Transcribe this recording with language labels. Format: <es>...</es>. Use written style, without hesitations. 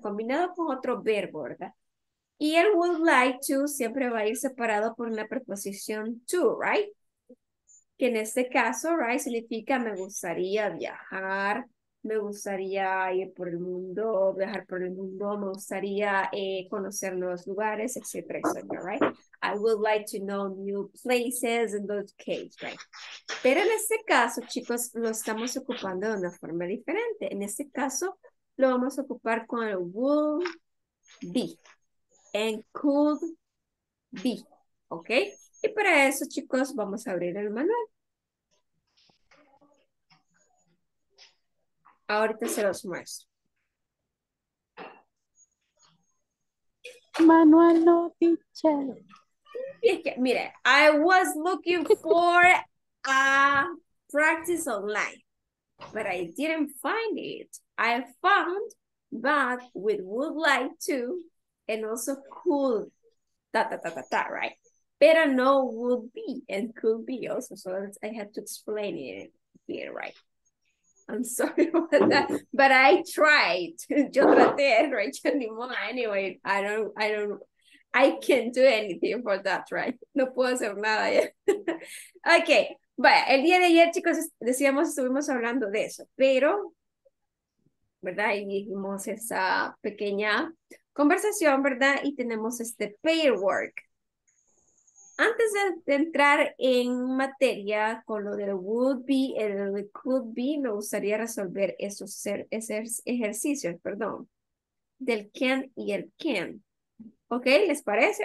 <es>Combinado con otro verbo, ¿verdad? Y el would like to siempre va a ir separado por una preposición to, right? Que en este caso, right, significa me gustaría viajar, me gustaría ir por el mundo, viajar por el mundo, me gustaría conocer nuevos lugares, etcétera, etcétera, right?</es> <en>I would like to know new places in those cases, right?</en> <es>Pero en este caso, chicos, lo estamos ocupando de una forma diferente. En este caso, lo vamos a ocupar con el would be and could be, ¿ok? Y para eso, chicos, vamos a abrir el manual. Ahorita se los muestro. Manual no, teacher. Y es que, mire,</es> <en>I was looking for a practice online, but I didn't find it. I found that with would like to, and also could, ta-ta-ta-ta-ta, right?</en> <es>Pero no</es> <en>would be, and could be also, so I had to explain it here, right? I'm sorry about that, but I tried.</en> <es>Yo traté,</es> <en>right?</en> <es>Yo ni modo.</es> <en>Anyway, I can't do anything for that, right?</en> <es>No puedo hacer nada ya. Okay, vaya, el día de ayer, chicos, decíamos, estuvimos hablando de eso, pero, ¿verdad? Y dijimos esa pequeña conversación, ¿verdad? Y tenemos este pair work. Antes de entrar en materia con lo del would be y el could be, me gustaría resolver esos ejercicios, perdón, del can y el can. ¿Ok? ¿Les parece?</es>